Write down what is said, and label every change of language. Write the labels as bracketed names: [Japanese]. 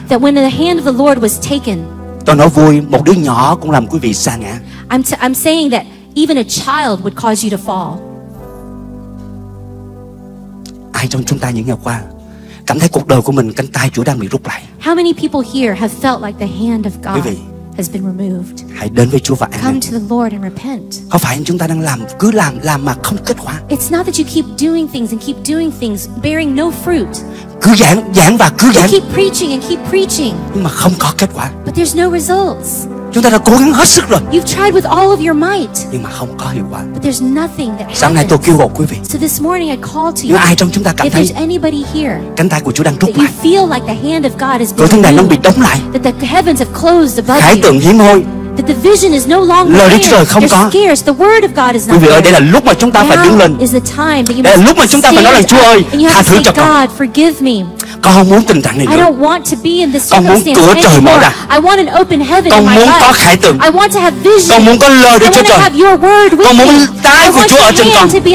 [English] That when the hand of the Lord was taken. [Vietnamese] Tôi nói vui, một đứa nhỏ cũng làm quý vị sa ngã. [English] I'm saying that even a child would cause you to fall. [Vietnamese] Ai trong chúng ta những ngày qua cảm thấy cuộc đời của mình cánh tay Chúa đang bị rút lại? [English] How many people here have felt like the hand of God has been removed? [Vietnamese] Hãy đến với Chúa và ăn năn. [English] Come to the Lord and repent. [Vietnamese] Không phải chúng ta đang làm mà không kết quả. [English] It's not that you keep doing things and keep doing things bearing no fruit. [Vietnamese] cứ giảng và cứ giảng. [English] Keep preaching and keep preaching. [Vietnamese] Nhưng mà không có kết quả. [English] But there's no results. [Vietnamese] Chúng ta đã cố gắng hết sức rồi. [English] You've tried with all of your might. [Vietnamese] Nhưng mà không có hiệu quả. [English] But there's nothing that happens. [Vietnamese] Sáng nay tôi kêu gọi quý vị. [English] So this morning I call to you. [Vietnamese] Nếu ai trong chúng ta cảm thấy [English] anybody here, [Vietnamese] cánh tay của Chúa đang rút lại. [English] You feel like the hand of God has been [Vietnamese] cửa thiên đàng bị đóng lại. [English] That the heavens have closed above you. [Vietnamese] Khải tượng hiếm hoi. [English] That the vision is no longer there. [Vietnamese] Lời Đức Chúa Trời không [English] You're [Vietnamese] có. [English] The word of God is not [Vietnamese] quý vị ơi, đây là lúc mà chúng ta phải đứng lên. Đây là lúc mà chúng ta phải nói rằng Chúa ơi, tha thứ cho [English] God, [Vietnamese] con. Con không muốn tình trạng này nữa. [English] I don't want to be in this [Vietnamese] con muốn cửa trời mở ra. [English] I want an open heaven [Vietnamese] con [English] in my [Vietnamese] muốn [English] life. [Vietnamese] Có khải tượng. [English] I want to have vision. [Vietnamese] Con muốn có lời Đức Chúa Trời. Con muốn tay của Chúa ở trên con.